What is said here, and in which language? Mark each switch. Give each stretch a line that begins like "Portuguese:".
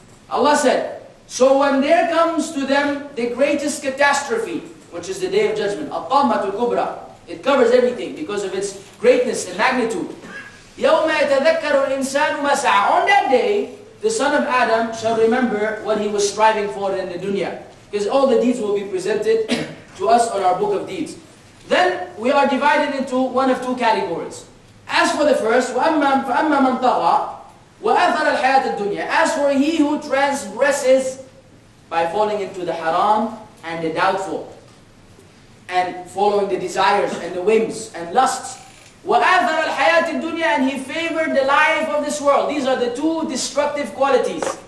English: Allah said, so when there comes to them the greatest catastrophe, which is the Day of Judgment, al-tammatul kubra, it covers everything because of its greatness and magnitude.
Arabic: يَوْمَ يَتَذَكَّرُ الْإِنسَانُ مَسَعَى.
English: On that day, the son of Adam shall remember what he was striving for in the dunya. Because all the deeds will be presented to us on our book of deeds. Then we are divided into one of two categories. As for the first,
Arabic: وَأَمَّا مَنْ طَغَى وَأَثَرَ الْحَيَاةَ الدُّنْيَا.
English: As for he who transgresses by falling into the haram and the doubtful, and following the desires and the whims and lusts.
Arabic: وَأَذَرَ الْحَيَاةِ الدُّنْيَا,
English: and he favored the life of this world. These are the two destructive qualities.